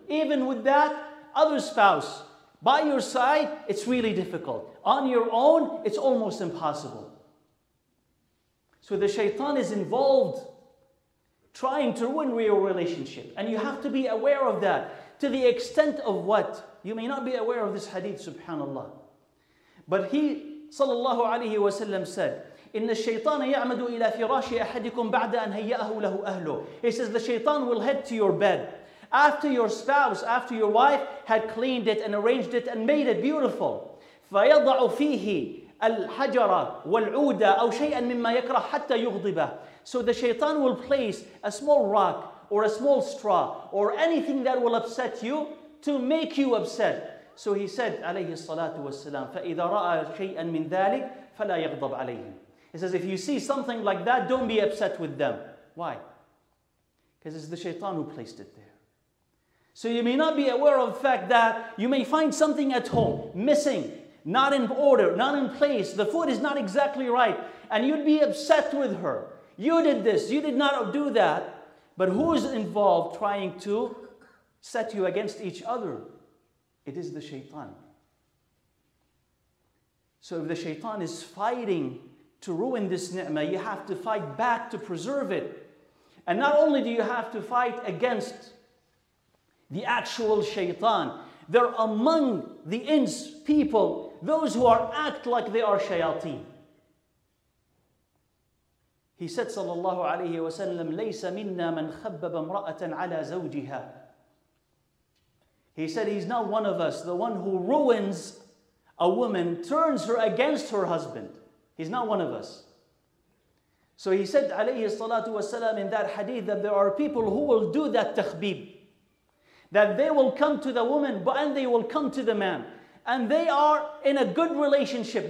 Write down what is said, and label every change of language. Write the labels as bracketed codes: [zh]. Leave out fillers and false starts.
[en] Even with that other spouse by your side, it's really difficult. On your own, it's almost impossible. So the shaitan is involved trying to ruin your relationship. And you have to be aware of that. To the extent of what? You may not be aware of this hadith, subhanAllah. But he, [ar] sallallahu alayhi wa sallam, said, إِنَّ الشَّيْطَانَ يَعْمَدُ إِلَىٰ فِرَاشِ أَحَدِكُمْ بَعْدَ أَنْ هَيَّأَهُ لَهُ أَهْلُهُ. [en] He says, the shaitan will head to your bed after your spouse, after your wife had cleaned it and arranged it and made it beautiful. [ar] فَيَضَعُ فِيهِ الْحَجَرَ وَالْعُودَ أَوْ شَيْئًا مِمَّا يَكْرَهُ حَتَّى يُغْضِبَهُ. [en] So the shaitan will place a small rock or a small straw or anything that will upset you to make you upset. So he said, [ar] عليه الصلاة والسلام, فَإِذَا رَأَى شَيْئًا مِنْ ذَلِكَ فَلَا يَغْضَبْ عَلَيْهِمْ. [en] He says, if you see something like that, don't be upset with them. Why? Because it's the shaitan who placed it there. So you may not be aware of the fact that you may find something at home, missing, not in order, not in place, the food is not exactly right, and you'd be upset with her. You did this, you did not do that. But who is involved trying to set you against each other? It is the shaitan. So if the shaitan is fighting to ruin this ni'mah, you have to fight back to preserve it. And not only do you have to fight against the actual shaitan, they're among the ins, people, those who are act like they are shayateen. He said, [ar] sallallahu alayhi wa sallam, لَيْسَ مِنَّا مَنْ خَبَّبَ امْرَأَةً عَلَى زَوْجِهَا. [en] He said, he's not one of us, the one who ruins a woman, turns her against her husband. He's not one of us. So he said, alayhi salatu wasalam, in that hadith, that there are people who will do that takhbib. That they will come to the woman, and they will come to the man. And they are in a good relationship.